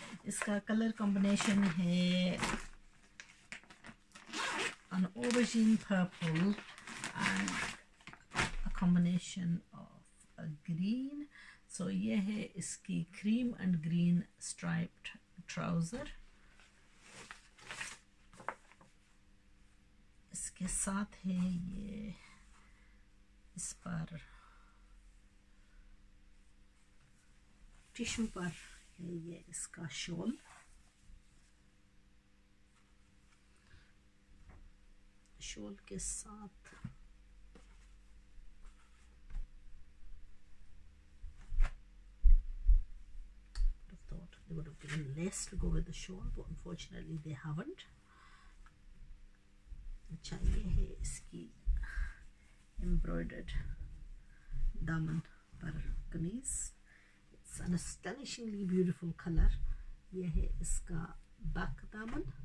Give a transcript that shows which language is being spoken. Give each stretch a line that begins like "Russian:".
Hindi: इसका
English: color combination है an aubergine purple and a combination of a green. So
Hindi: ये है इसकी
English: cream and green striped trouser.
Hindi: इसके साथ है ये इस पर टिशू पर है ये इसका शॉल. शॉल के साथ
English: I thought they would have given less to go with the shawl, but unfortunately they haven't.
Hindi: अच्छा ये है इसकी embroidered दामन पर कमीज.
English: It's an astonishingly beautiful color.
Hindi: ये है इसका back दामन.